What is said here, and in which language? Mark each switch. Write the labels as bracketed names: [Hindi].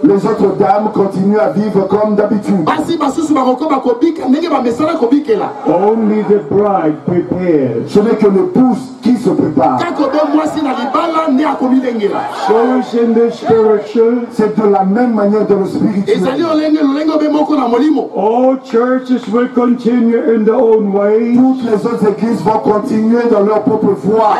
[French] les autres dames continuent à vivre comme d'habitude. [English] Only the bride prepares. [French] Ce n'est que l'épouse qui se prépare. [English] So is in the spiritual, [French] c'est de la même manière dans le spirituel. [English] All churches will continue in their own way. [French] Toutes les autres églises vont continuer dans leur propre voie.